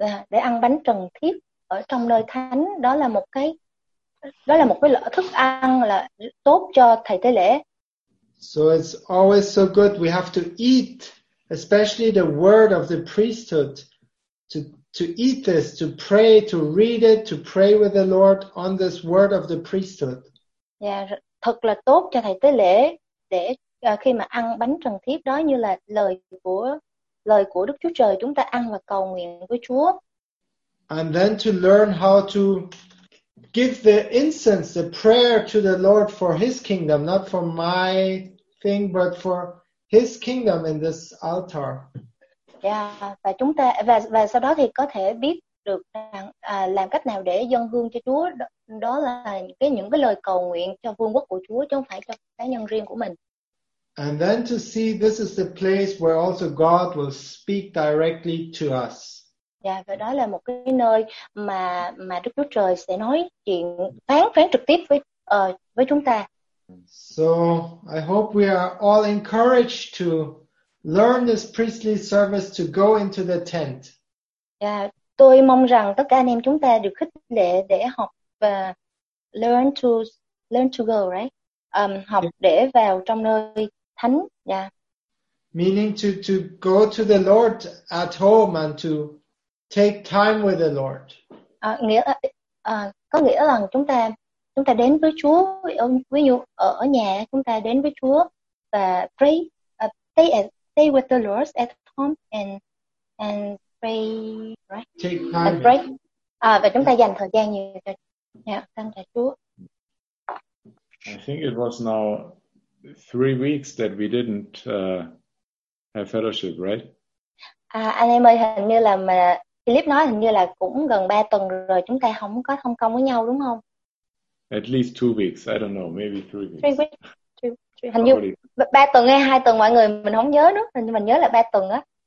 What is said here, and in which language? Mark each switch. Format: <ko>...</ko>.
<vi>Để ăn bánh trần thiếp ở trong nơi thánh, đó là một cái lợi thức ăn là tốt cho thầy tế lễ.</vi> <en>So it's always so good. We have to eat, especially the word of the priesthood, to eat this, to pray, to read it, to pray with the Lord on this word of the priesthood.</en> <vi>Yeah, thật là tốt cho thầy tế lễ để khi mà ăn bánh trần thiếp đó như là lời của Đức Chúa Trời, chúng ta ăn và cầu nguyện với Chúa.</vi> <en>And then to learn how to give the incense, the prayer to the Lord for his kingdom, not for my thing, but for his kingdom in this altar.</en> <vi>Yeah, và chúng ta và sau đó thì có thể biết được làm cách nào để dâng hương cho Chúa, đó là cái những cái lời cầu nguyện cho vương quốc của Chúa chứ không phải cho cá nhân riêng của mình.</vi> <en>And then to see this is the place where also God will speak directly to us.</en> <vi>Yeah, và đó là một cái nơi mà Đức Chúa Trời sẽ nói chuyện phán trực tiếp với chúng ta.</vi> <en>So, I hope we are all encouraged to learn this priestly service, to go into the tent.</en> <vi>Yeah, tôi mong rằng tất cả anh em chúng ta được khích lệ để học và</vi> <en>learn to go, right?</en> <vi>Học để vào trong nơi thánh. Yeah.</vi> <en>Meaning to go to the Lord at home and to take time with the Lord.</en> <vi>Có nghĩa là chúng ta đến với Chúa, ví dụ ở nhà chúng ta đến với Chúa và</vi> <en>pray, stay with the Lord at home and pray, right? Take time. And pray.</en> <vi>Và chúng ta dành thời gian nhiều cho thân cha Chúa.</vi> <en>I think it was now 3 weeks that we didn't have fellowship, right?</en> <vi>Anh em ơi, hình như là mà Philip nói hình như là cũng gần 3 tuần rồi chúng ta không có thông công với nhau đúng không?</vi> <en>At least 2 weeks. I don't know. Maybe 3 weeks. 3 weeks.</en> <vi>Hình như 3 tuần hay 2 tuần mọi người. Mình không nhớ nữa. Hình như mình nhớ là 3 tuần á.</vi>